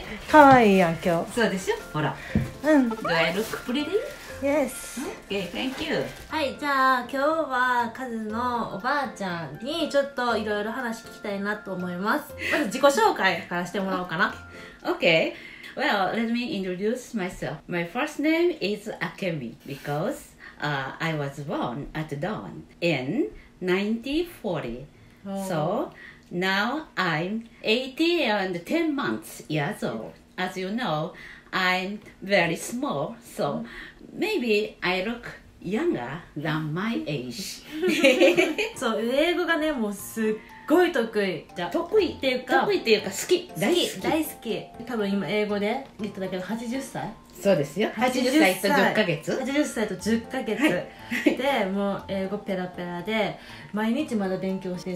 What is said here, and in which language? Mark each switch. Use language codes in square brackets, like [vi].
[ja] かわいいやん、今日。そうでしょ、ほら。うん。 [en] Do I look pretty? Yes. Okay, thank you. [ja] はい、じゃあ今日はカズのおばあちゃんにちょっといろいろ話聞きたいなと思います。まず自己紹介からしてもらおうかな。 [en] Okay. Well, let me introduce myself. My first name is Akemi because、I was born at dawn in 1940. So now I'm 80 and 10 months years old. As you know, I'm very small, so maybe I look younger than my age. [ja] そう、英語がね、もうすっごい得意。じゃ得意っていうか、得意っていうか好き。大好き。大好き。多分今英語で言っただけど80歳。そうですよ。80歳と10ヶ月、はい、でもう英語ペラペラで毎日まだ勉強してる